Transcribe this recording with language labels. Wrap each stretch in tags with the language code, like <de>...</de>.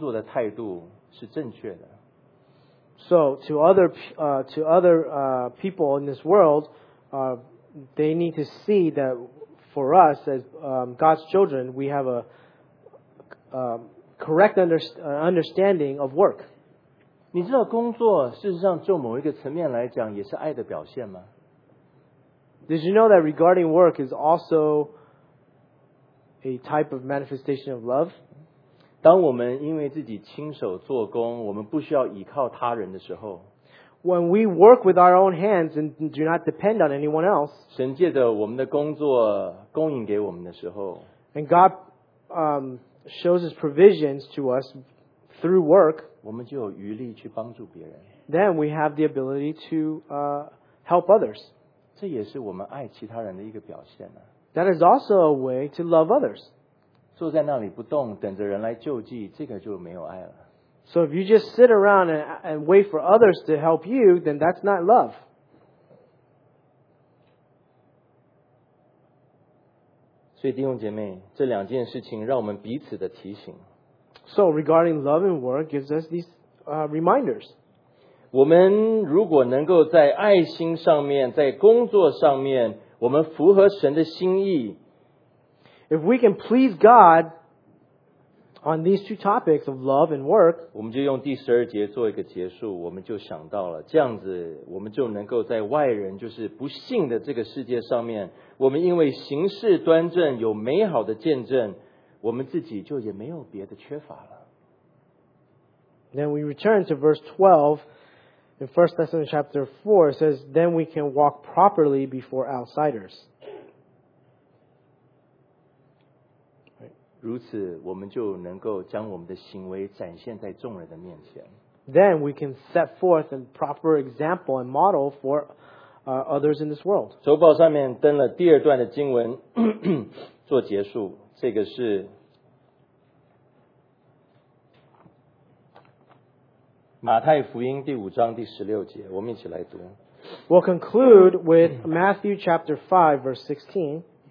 <zh>我们在我们的工作上面，我们一定要让世人看见我们属神的人是对工作的态度是正确的。So</zh> <en>to other people in this world, they need to see that for us as God's children, we have a correct understanding of work.</en> <zh>你知道工作事实上就某一个层面来讲也是爱的表现吗？</zh> <en>Did you know that regarding work is also a type of manifestation of love?</en> <zh>当我们因为自己亲手做工，我们不需要依靠他人的时候，</zh> <en>When we work with our own hands and do not depend on anyone else,</en> <zh>神借着我们的工作供应给我们的时候</zh> <en>and God, shows his provisions to us through work,</en> <zh>我们就有余力去帮助别人</zh> <en>then we have the ability to, help others.</en> <zh>这也是我们爱其他人的一个表现、啊、</zh> <en>That is also a way to love others.</en> <zh>坐在那里不动等着人来救济这个就没有爱了。</zh> <en>So if you just sit around and wait for others to help you, then that's not love.</en> <zh>所以弟兄姐妹，这两件事情让我们彼此的提醒。</zh> <en>So regarding love and work gives us these reminders.</en> <zh>我们如果能够在爱心上面，在工作上面，我们符合神的心意。</zh> <en>If we can please God,On these two topics of love and work,</en> <zh>我们就用第十二节做一个结束，我们就想到了这样子，我们就能够在外人就是不信的这个世界上面，我们因为行事端正，有美好的见证，我们自己就也没有别的缺乏了。</zh> <en>Then we return to verse 12 in 1 Thessalonians chapter 4, it says, Then we can walk properly before outsiders.</en> <zh>如此我们就能够将我们的行为展现在众人的面前。</zh> <en>Then we can set forth a proper example and model for others in this world.</en> <zh>周报上面登了第二段的经文做结束。这个是马太福音第五章第十六节。我们一起来读。</zh> <en>We'll conclude with Matthew chapter 5 verse 16.</en>